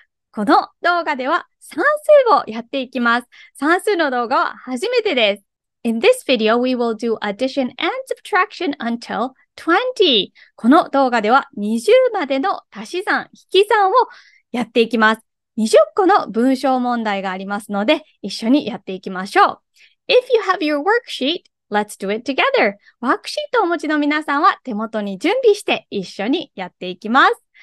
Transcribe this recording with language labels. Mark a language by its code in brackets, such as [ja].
[ja] この動画では算数をやっていきます。算数の動画は初めてです。 [en] In this video, we will do addition and subtraction until 20. [ja] この動画では20までの足し算、引き算をやっていきます。 20個の文章問題がありますので、一緒にやっていきましょう。 [en] If you have your worksheet, let's do it together. [ja] ワークシートをお持ちの皆さんは手元に準備して一緒にやっていきます。